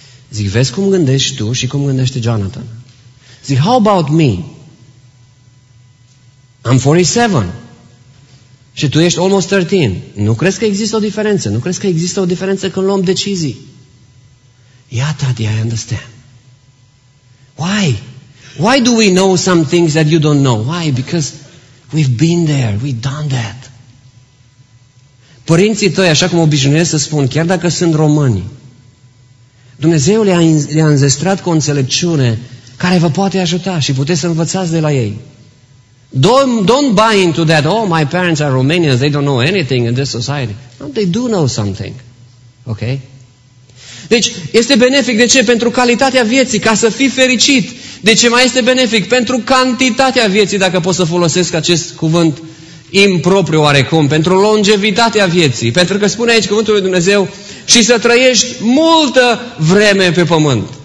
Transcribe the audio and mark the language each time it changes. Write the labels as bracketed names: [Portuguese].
[Romanian] Zic, vezi cum gândești tu și cum gândește Jonathan? Zic, [English] how about me? I'm 47. [Romanian] Și tu ești [English] almost [Romanian] 13. Nu crezi că există o diferență? Nu crezi că există o diferență când luăm decizii? Iată, [English] I understand. Why? Why do we know some things that you don't know? Why? Because we've been there, we've done that. [Romanian] Părinții tăi, așa cum obișnuiesc să spun, chiar dacă sunt români, Dumnezeu le-a înzestrat cu o înțelepciune care vă poate ajuta și puteți să învățați de la ei. [English] Don't buy into that, oh, my parents are Romanians, they don't know anything in this society. No, they do know something. Ok? [Romanian] Deci, este benefic, de ce? Pentru calitatea vieții, ca să fii fericit. De ce mai este benefic? Pentru cantitatea vieții, dacă pot să folosesc acest cuvânt impropriu oarecum, pentru longevitatea vieții. Pentru că spune aici cuvântul lui Dumnezeu, și să trăiești multă vreme pe pământ.